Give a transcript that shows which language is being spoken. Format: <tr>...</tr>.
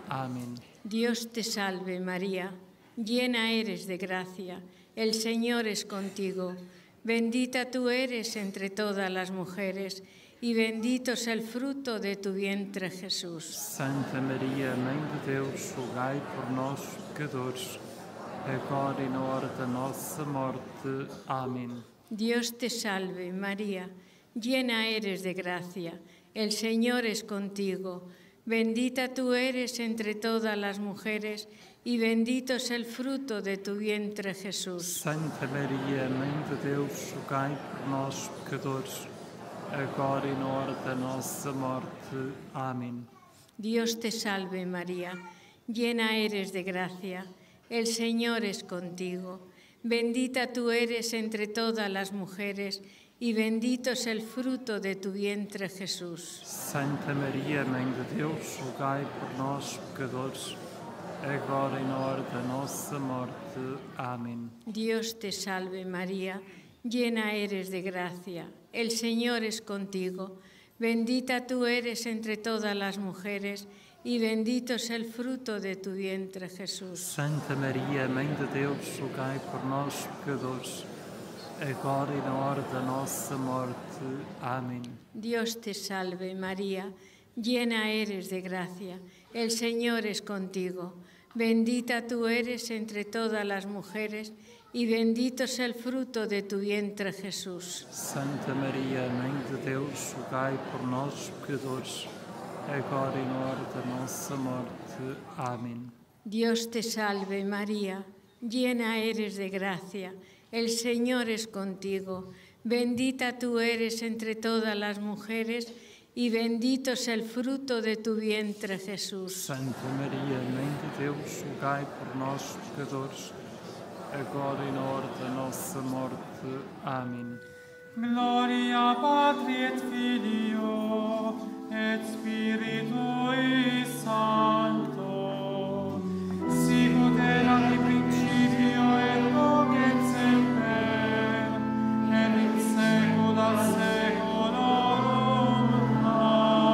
<pt>Amém.</pt> <es>Dios te salve, María, llena eres de gracia. El Señor es contigo. Bendita tú eres entre todas las mujeres y bendito es el fruto de tu vientre, Jesús.</es> <pt>Santa María, Mãe de Deus, rogai por nós, pecadores, agora e na hora da nossa morte. Amém.</pt> <es>Dios te salve, María, llena eres de gracia. El Señor es contigo. Bendita tú eres entre todas las mujeres y bendito es el fruto de tu vientre, Jesús.</es> <pt>Santa María, Mãe de Deus, rogai por nós, pecadores, agora e na hora da nossa morte. Amém.</pt> <es>Dios te salve, María, llena eres de gracia. El Señor es contigo. Bendita tú eres entre todas las mujeres y bendito es el fruto de tu vientre, Jesús.</es> <pt>Santa María, Mãe de Deus, rogai por nós, pecadores, agora e na hora da nossa morte. Amém.</pt> <es>Dios te salve, María, llena eres de gracia. El Señor es contigo. Bendita tú eres entre todas las mujeres y bendito es el fruto de tu vientre, Jesús.</es> <pt>Santa María, Mãe de Deus, rogai por nós, pecadores, agora e na hora da nossa morte. Amém.</pt> <es>Dios te salve, María, llena eres de gracia. El Señor es contigo. Bendita tú eres entre todas las mujeres y bendito es el fruto de tu vientre, Jesús.</es> <pt>Santa María, Mãe de Deus, rogai por nós, pecadores, agora e na hora da nossa morte. Amém.</pt> <es>Dios te salve, María, llena eres de gracia. El Señor es contigo. Bendita tú eres entre todas las mujeres y bendito es el fruto de tu vientre, Jesús.</es> <pt>Santa María, Mãe de Deus, rogai por nós, pecadores, agora e na hora da nossa morte. Amém.</pt> <la>Gloria Patri et Filio, et Spiritui Sancto, sicut erat in principio, et nunc et semper, et in saecula saeculorum. Amen.</la>